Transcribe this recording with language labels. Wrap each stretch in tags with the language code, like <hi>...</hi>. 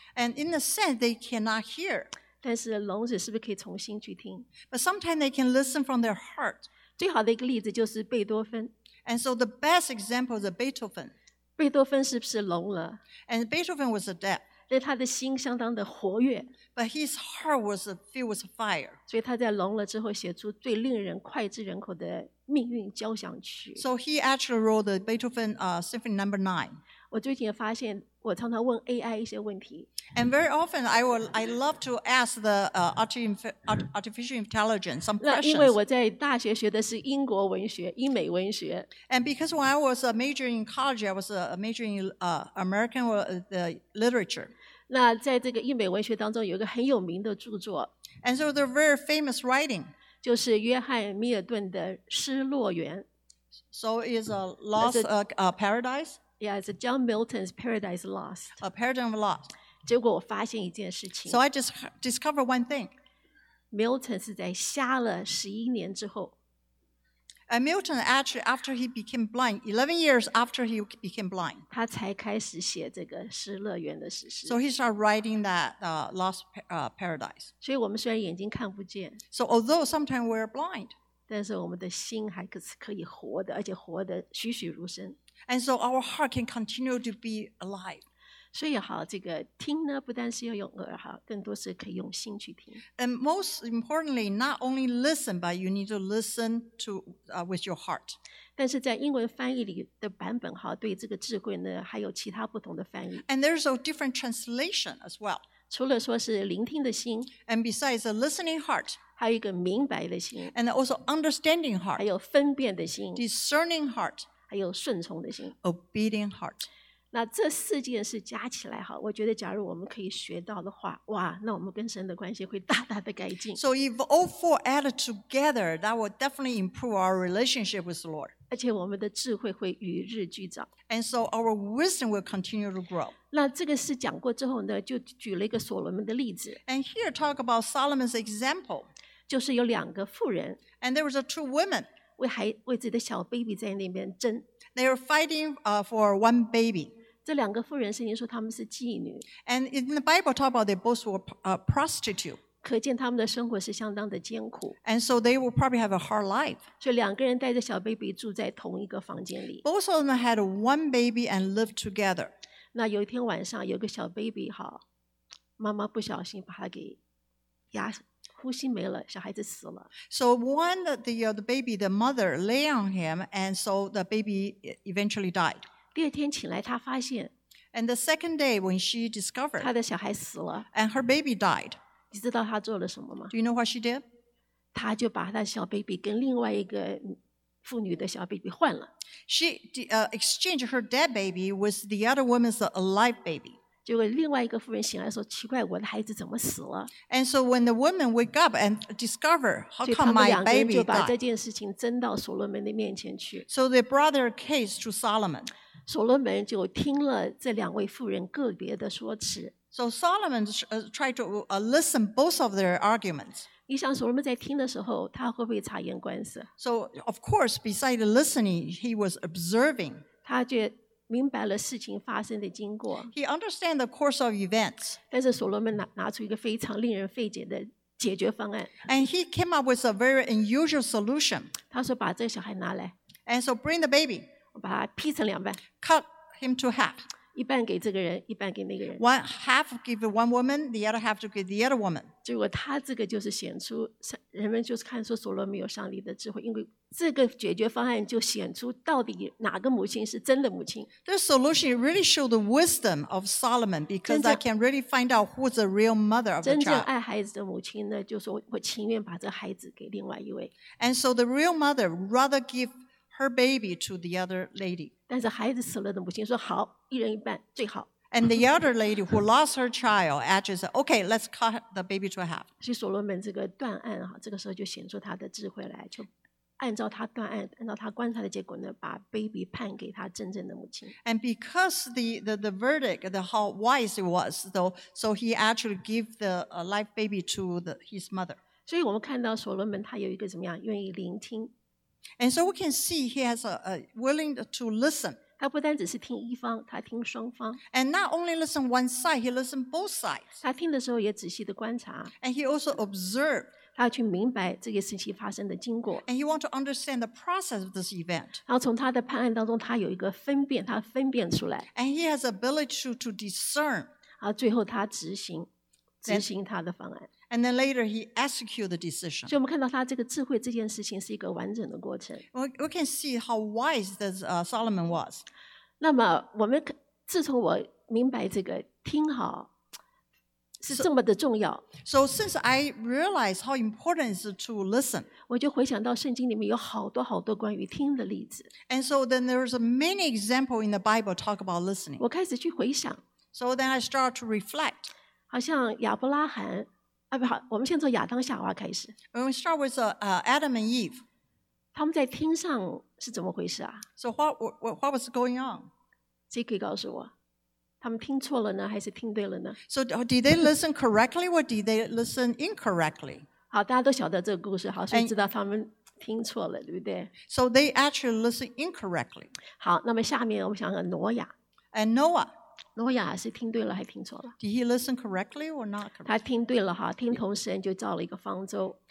<en>And in the sense they cannot hear.</en> <zh>但是聋子是不是可以从心去听</zh> <en>？But sometimes they can listen from their heart.</en> <zh>最好的一个例子就是贝多芬。</zh> <en>And so the best example is Beethoven.</en> <zh>贝多芬是不是聋了</zh> <en>？And Beethoven was a deaf.</en> <zh>但他的心相当的活跃</zh> <en>，But his heart was filled with fire.</en> <zh>所以他在聋了之后写出最令人脍炙人口的命运交响曲。</zh> <en>So he actually wrote the Beethoven Symphony No. 9.</en> <zh>我最近发现，我常常问 AI 一些问题。</zh> <en>And very often I love to ask the artificial intelligence some questions.</en> <zh>那因为我在大学学的是英国文学，英美文学。</zh> <en>And because when I was a major in college, I was a major in American or the literature.</en> <zh>那在这个英美文学当中，有一个很有名的著作。</zh> <en>And so they're very famous writing.</en> <zh>就是约翰·米尔顿的《失落园》。</zh> <en>So is a lost paradise. Yeah, it's John Milton's Paradise Lost. A Paradise Lost.</en> <zh>结果我发现一件事情。</zh> <en>So I just discovered one thing.</en> <zh>Milton 是在瞎了11年之后。</zh> <en>And Milton actually, after he became blind, 11 years after he became blind.</en> <zh>他才开始写这个失乐园的史诗。</zh> <en>So he started writing that Lost Paradise.</en> <zh>所以我们虽然眼睛看不见。</zh> <en>So although sometimes we're blind.</en> <zh>但是我们的心还可以活的，而且活得栩栩如生。</zh> <en>And so our heart can continue to be alive.</en> <zh>所以好，这个听呢，不但是要用耳哈，更多是可以用心去听。</zh> <en>And most importantly, not only listen, but you need to listen to with your heart.</en> <zh>但是在英文翻译里的版本哈，对这个智慧呢，还有其他不同的翻译。</zh> <en>And there's a different translation as well.</en> <zh>除了说是聆听的心</zh> <en>，And besides a listening heart.</en> <zh>还有一个明白的心</zh> <en>，And also understanding heart.</en> <zh>还有分辨的心</zh> <en>，Discerning heart.</en> <zh>还有顺从的心</zh> <en>，Obedient heart.</en> <zh>那这四件事加起来好，我觉得假如我们可以学到的话，哇，那我们跟神的关系会大大的改进。</zh> <en>So if all four added together, that will definitely improve our relationship with the Lord.</en> <zh>而且我们的智慧会与日俱长。</zh> <en>And so our wisdom will continue to grow.</en> <zh>那这个事讲过之后呢，就举了一个所罗门的例子。</zh> <en>And here talk about Solomon's example.</en> <zh>就是有两个妇人。</zh> <en>And there was two women.</en> <zh>为自己的小 baby 在那边争。</zh> <en>They are fighting for one baby.</en> <zh>这两个妇人圣经说他们是妓女。</zh> <en>And in the Bible talk about they both were prostitutes.</en> <zh>可见他们的生活是相当的艰苦。</zh> <en>And so they will probably have a hard life.</en> <zh>所以两个人带着小 baby 住在同一个房间里。</zh> <en>Both of them had one baby and lived together.</en> <zh>那有一天晚上有个小 baby 好，妈妈不小心把他给压死。呼吸没了，小孩子死了。</zh> <en>So one the baby, the mother lay on him, and so the baby eventually died.</en> <zh>第二天醒来，她发现。</zh> <en>And the second day when she discovered,</en> <zh>她的小孩死了。</zh> <en>And her baby died.</en> <zh>你知道她做了什么吗？</zh> <en>Do you know what she did?</en> <zh>她就把她的小 baby 跟另外一个妇女的小 baby 换了。</zh> <en>She exchanged her dead baby with the other woman's alive baby.</en> <zh>结果另外一个妇人醒来说：“奇怪，我的孩子怎么死了</zh> <en>？”And so when the woman wake up and discover how come my baby died,</en> <zh>所以他们两个人就把这件事情争到所罗门的面前去。</zh> <en>So they brought their case to Solomon.</en> <zh>所罗门就听了这两位妇人个别的说辞。</zh> <en>So Solomon tried to listen both of their arguments.</en> <zh>你想所罗门在听的时候，他会不会察言观色</zh> <en>？So of course, besides listening, he was observing.</en> <zh>他觉得。明白了事情发生的经过。</zh> <en>He understands the course of events.</en> <zh>但是所罗门拿出一个非常令人费解的解决方案。</zh> <en>And he came up with a very unusual solution.</en> <zh>他说把这个小孩拿来。</zh> <en>And so bring the baby.</en> <zh>我把他劈成两半。</zh> <en>Cut him to half.</en> <zh>一半给这个人，一半给那个人。</zh> <en>One half give one woman, the other half to give the other woman.</en> <zh>结果他这个就是显出，人们就是看出所罗门有上帝的智慧，因为。这个解决方案就显出到底哪个母亲是真的母亲。</zh> <en>The solution really showed the wisdom of Solomon because I can really find out who's the real mother of the child.</en> <zh>真正爱孩子的母亲呢，就说我情愿把这孩子给另外一位。</zh> <en>And so the real mother rather give her baby to the other lady.</en> <zh>但是孩子死了的母亲说好，一人一半最好。</zh> <en>And the other lady who lost her child actually said, "Okay, let's cut the baby to half."</en> <zh>所以所罗门这个断案哈，这个时候就显出他的智慧来，就。按照他断案，按照他观察的结果呢，把 baby 判给他真正的母亲。</zh> <en>And because the verdict, the how wise it was, though, so he actually gave the live baby to his mother.</en> <zh>所以我们看到所罗门他有一个怎么样，愿意聆听。</zh> <en>And so we can see he has a willing to listen.</en> <zh>他不单只是听一方，他听双方。</zh> <en>And not only listen one side, he listen both sides.</en> <zh>他听的时候也仔细的观察。</zh> <en>And he also observed.</en> <zh>他要去明白这个事情发生的经过。</zh> <en>And he want to understand the process of this event.</en> <zh>然后从他的判案当中，他有一个分辨，他分辨出来。</zh> <en>And he has ability to discern.</en> <zh>然后最后他执行他的方案。</zh> <en>And then later he execute the decision.</en> <zh>所以我们看到他这个智慧这件事情是一个完整的过程。</zh> <en>We can see how wise this Solomon was.</en> <zh>那么我们自从我明白这个听好。是这么的重要。</zh> <en>So since I realize how important it is to listen,</en> <zh>我就回想到圣经里面有好多好多关于听的例子。</zh> <en>And so then there's many examples in the Bible talk about listening.</en> <zh>我开始去回想。</zh> <en>So then I start to reflect.</en> <zh>好像亚伯拉罕，啊不好，我们先从亚当夏娃开始。</zh> <en>When we start with Adam and Eve.</en> <zh>他们在听上是怎么回事啊</zh> <en>？So what was going on?</en> <zh>谁可以告诉我？他们听错了呢，还是听对了呢</zh> <en>？So did they listen correctly or did they listen incorrectly？</en> <zh>好，大家都晓得这个故事，好，所以知道他们听错了，对不对</zh> <en>？So they actually listen incorrectly。</en> <zh>好，那么下面我们想想挪亚。</zh> <en>And Noah，</en> <zh>挪亚是听对了还听错了</zh> <en>？Did he listen correctly or not？ Correctly?</en> <zh>他听对了哈，听从神就造了一个方舟。</zh>